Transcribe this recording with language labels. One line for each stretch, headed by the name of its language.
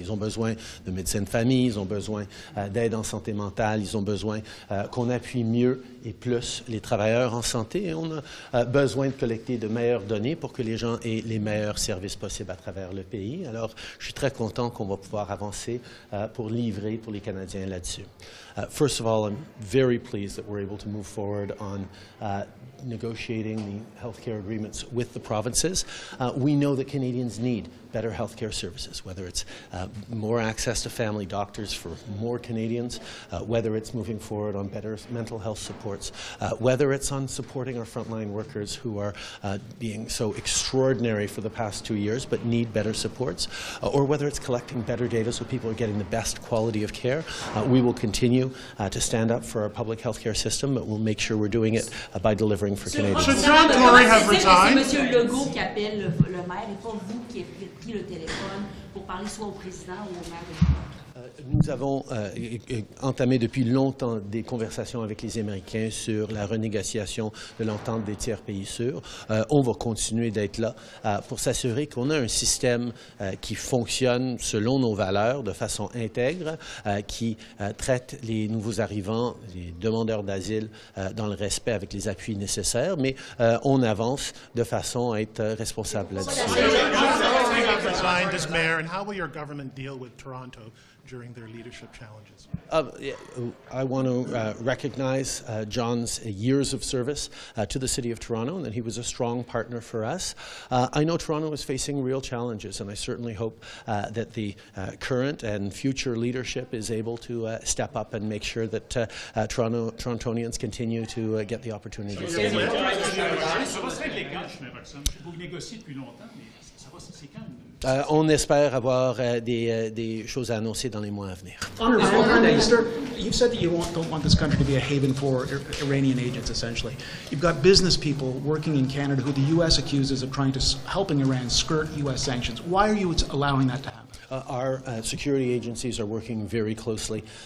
French: Ils ont besoin de médecins de famille, ils ont besoin d'aide en santé mentale, ils ont besoin qu'on appuie mieux et plus les travailleurs en santé. Et on a besoin de collecter de meilleures données pour que les gens aient les meilleurs services possibles à travers le pays. Alors, je suis très content qu'on va pouvoir avancer pour livrer pour les Canadiens là-dessus.
English: First of all, I'm very pleased that we're able to move forward on negotiating the healthcare agreements with the provinces. We know that Canadians need better healthcare services, whether it's more access to family doctors for more Canadians, whether it's moving forward on better mental health supports, whether it's on supporting our frontline workers who are being so extraordinary for the past 2 years but need better supports, or whether it's collecting better data so people are getting the best quality of care. We will continue to stand up for our public health care system, but we'll make sure we're doing it by delivering for Canadians. Should John Tory have resigned?
French: C'est M. Legault qui appelle le maire et pas vous qui avez pris le téléphone pour parler soit au président ou au maire de Québec. Nous avons entamé depuis longtemps des conversations avec les Américains sur la renégociation de l'entente des tiers pays sûrs. On va continuer d'être là pour s'assurer qu'on a un système qui fonctionne selon nos valeurs de façon intègre, qui traite les nouveaux arrivants, les demandeurs d'asile dans le respect avec les appuis nécessaires, mais on avance de façon à être responsable là-dessus.
English: Signed as mayor, and how will your government deal with Toronto during their leadership challenges? I want to recognize John's years of service to the city of Toronto, and that he was a strong partner for us. I know Toronto is facing real challenges, and I certainly hope that the current and future leadership is able to step up and make sure that Torontonians continue to get the opportunity. So you're
French: On espère avoir des choses à annoncer dans les mois à venir.
English: You've said that you don't want this country to be a haven for Iranian agents, essentially. You've got business people working in Canada who the U.S. accuses of trying to helping Iran skirt U.S. sanctions. Why are you allowing that to happen? Our security agencies are working very closely.